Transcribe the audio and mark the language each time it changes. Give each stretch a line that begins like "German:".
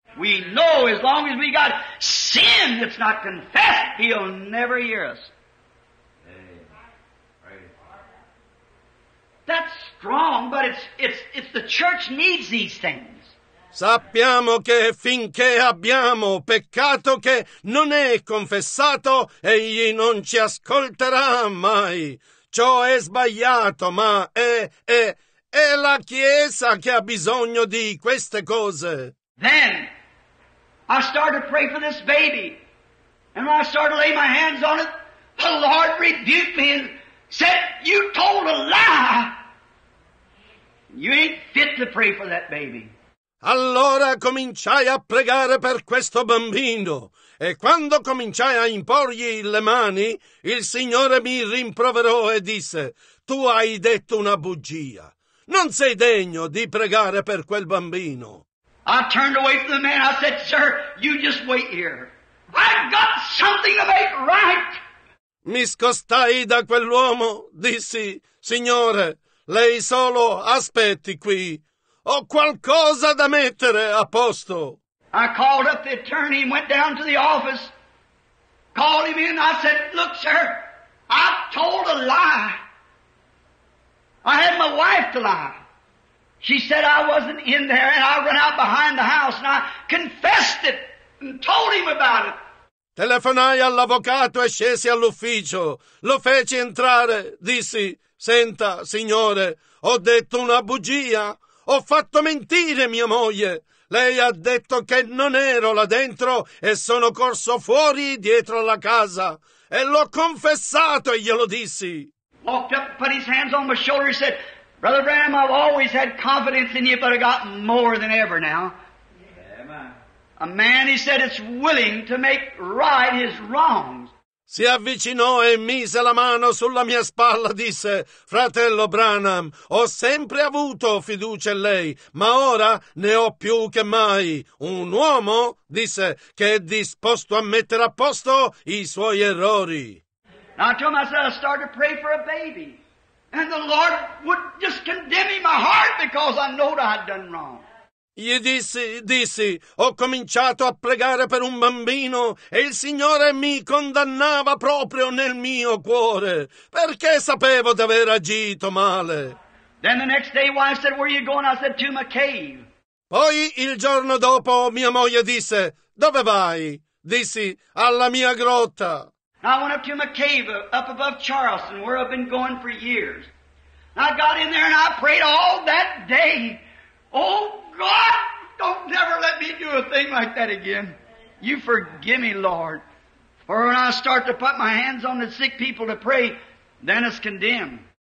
English: We know as long as we got sin that's not confessed, He'll never hear us. That's strong, but it's the church needs these things.
Italian: Sappiamo che finché abbiamo peccato che non è confessato, egli non ci ascolterà mai. Ciò è sbagliato, ma è la Chiesa che ha bisogno di queste cose.
English: Then I started to pray for this baby. And when I started to lay my hands on it, the Lord rebuked me and said, You told a lie. You ain't fit to pray for that baby.
Italian: Allora cominciai a pregare per questo bambino. E quando cominciai a imporgli le mani, il Signore mi rimproverò e disse, Tu hai detto una bugia. Non sei degno di pregare per quel bambino.
English: I turned away from the man. I said, Sir, you just wait here. I've got something to make right.
Italian: Mi scostai da quell'uomo. Dissi, Signore, lei solo aspetti qui. Ho qualcosa da mettere a posto.
English: I called up the attorney and went down to the office. Called him in. I said, Look, sir, I've told a lie. I had my wife to lie. She said I wasn't in there and I ran out behind the house and I confessed it and told him about it.
Italian: Telefonai all'avvocato e scesi all'ufficio. Lo feci entrare. Dissi, Senta, signore, ho detto una bugia. Ho fatto mentire mia moglie. Lei ha detto che non ero là dentro e sono corso fuori dietro alla casa. E l'ho confessato e glielo dissi.
English: Walked up, put his hands on my shoulder and said, Brother Branham, I've always had confidence in you, but I've got more than ever now. Yeah, a man, he said, is willing to make right his wrongs.
Italian: Si avvicinò e mise la mano sulla mia spalla, disse, Fratello Branham, ho sempre avuto fiducia in lei, ma ora ne ho più che mai. Un uomo, disse, che è disposto a mettere a posto i suoi errori.
English: Now I told him, I said, I started to pray for a baby. And the Lord would just condemn me in my heart because I know that I'd done wrong.
Italian: Gli dissi, ho cominciato a pregare per un bambino e il Signore mi condannava proprio nel mio cuore, perché sapevo di aver agito male.
English: Then the next day wife said, Where are you going? I said, To my cave.
Italian: Poi il giorno dopo mia moglie disse, Dove vai? dissi, alla mia grotta.
English: I went up to my cave up above Charleston, where I've been going for years. I got in there and I prayed all that day. Oh God, don't never let me do a thing like that again. You forgive me, Lord. For when I start to put my hands on the sick people to pray, then it's condemned.